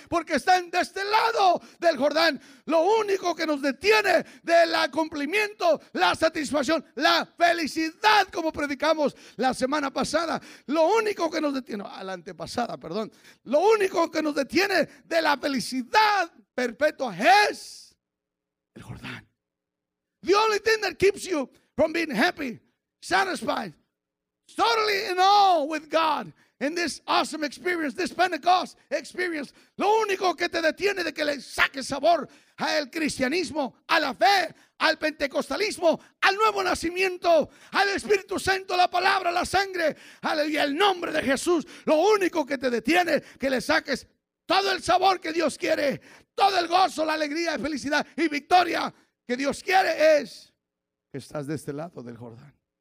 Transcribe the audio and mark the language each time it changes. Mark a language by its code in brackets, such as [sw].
[es] Porque están de este lado del Jordán. Lo único que nos detiene del cumplimiento, la satisfacción, la felicidad, como predicamos la semana pasada, lo único que nos detiene, lo único que nos detiene de la felicidad perpetua es el Jordán. [en] The only thing that keeps you from being happy, satisfied, totally in awe with God in this awesome experience, this Pentecost experience. [es] Lo único que te detiene de que le saques sabor al cristianismo, a la fe, al pentecostalismo, al nuevo nacimiento, al Espíritu Santo, la palabra, la sangre, aleluya, el nombre de Jesús. Lo único que te detiene que le saques todo el sabor que Dios quiere, todo el gozo, la alegría, felicidad y victoria que Dios quiere es que estás de este lado del Jordán.